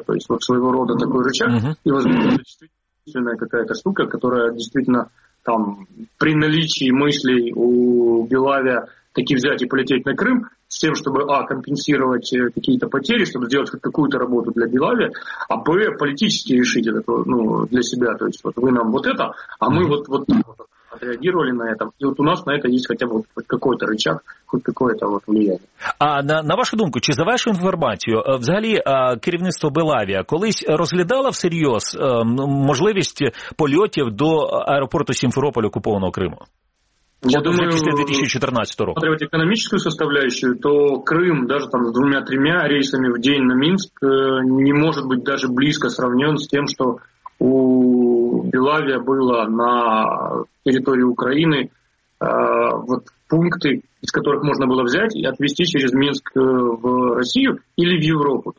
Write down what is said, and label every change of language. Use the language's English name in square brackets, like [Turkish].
[Russian] То есть вот своего рода такой рычаг, и, возможно, действительная какая-то штука, которая действительно там при наличии мыслей у Белавия таки взять и полететь на Крым с тем, чтобы, а, компенсировать какие-то потери, чтобы сделать какую-то работу для Белавия, а, б, политически решить это, ну, для себя. То есть вот вы нам вот это, а мы вот так вот отреагировали на это. И вот у нас на это есть хотя бы хоть какой-то рычаг, хоть какое-то вот влияние. [Ukrainian] А на вашу думку, чи за вашу інформацію, взагалі керівництво Белавія колись розглядало всерйоз можливість польотів до аеропорту Сімферополь окупованого Криму? [Russian] Я думаю, если рассматривать экономическую составляющую, то Крым даже там с двумя-тремя рейсами в день на Минск не может быть даже близко сравнен с тем, что у Белавия было на территории Украины вот пункты, из которых можно было взять и отвезти через Минск в Россию или в Европу.